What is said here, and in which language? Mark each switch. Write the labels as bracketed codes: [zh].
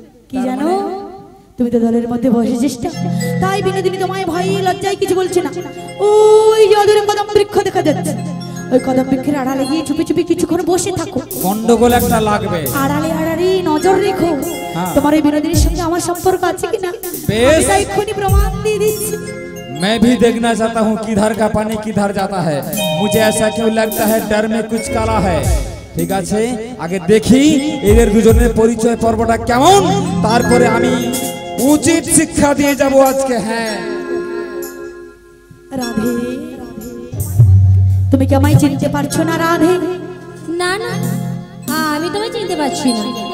[bn] কি জানো, তুমি তো দলের মধ্যে বসে চেষ্টা, তাই বিনোদিনী তোমায় ভয় লজ্জায় কিছু বলছে না। ওই যে অদূরে কদম বৃক্ষ দেখা যাচ্ছে, ওই কদম বৃক্ষের আড়ালে গিয়ে চুপি চুপি কিছুক্ষণ বসে থাকো। গন্ডগোল একটা লাগবে, আড়ালে আড়ালে নজর রেখো, তোমার এই বিনোদিনীর সঙ্গে আমার সম্পর্ক আছে কিনা। বেশ, এখনই প্রমাণ দিয়ে দিচ্ছি। [hi] मैं भी देखना चाहता हूँ किधर का पानी किधर जाता है, मुझे ऐसा क्यों लगता है डर में कुछ काला है। [bn] ঠিক আছে, আগে দেখি এদের দুজনের পরিচয় পর্বটা কেমন, তারপরে আমি উচিত শিক্ষা দিয়ে যাব আজকে। হ্যাঁ রাধে, তুমি কি আমায় চিনতে পারছো না? রাধে, না না, আমি তোমায় চিনতে পারছি না।